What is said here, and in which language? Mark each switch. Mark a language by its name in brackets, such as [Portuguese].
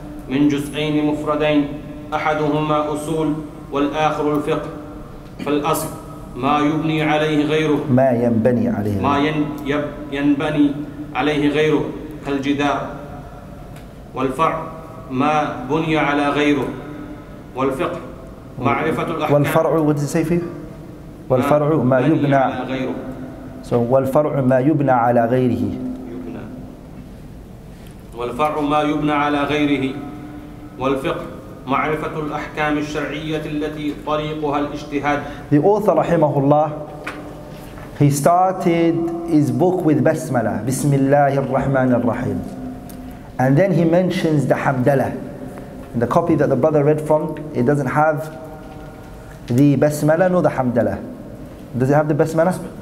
[Arabic] من جزئين مفردين أحدهما أصول والآخر الفقه فالأصل ما يبني عليه غيره ما ينبني عليه غيره كالجدار والفرع ما بني على غيره والفقه معرفة الأحكام والفرع [English] what did it say for you [Arabic] والفرع ما يبنى على غيره so والفرع ما يبنى على غيره والفرع ما يبنى على غيره والفقه معرفة الأحكام الشرعية التي طريقها الاجتهاد [English] the author [Arabic] رحمه الله [English] he started his book with basmala [Arabic] بسم الله الرحمن الرحيم [English] And then he mentions the Hamdalah. In the copy that the brother read from, it doesn't have the Basmalah nor the Hamdalah. Does it have the Basmalah?